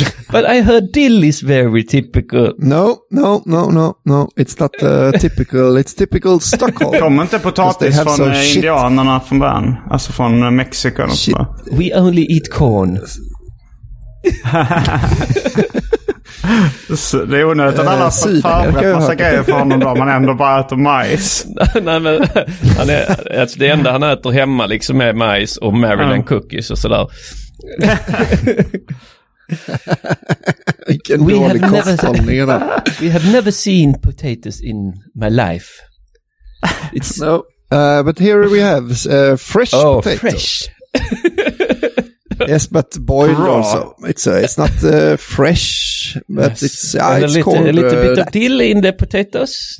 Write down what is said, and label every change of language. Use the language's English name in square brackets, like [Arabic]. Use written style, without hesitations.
[English] But I heard dill is very typical. No. It's not typical. It's typical Stockholm. [Swedish] Kommer inte potatis från indianerna från början? Alltså från Mexiko och så. [English] We only eat corn. [Swedish] Det är onödigt att alla förbereder massa grejer för honom då, man ändå bara äter majs. Nej, men han är, alltså det enda han äter hemma liksom är majs och Maryland cookies och sådär. Vilken dålig kosthållning. [English] We have never seen potatoes in my life. It's no, but here we have fresh potatoes. Oh, fresh. Yes, but boiled also. It's not fresh, but yes. It's it's a little, called a little bit of dill in the potatoes.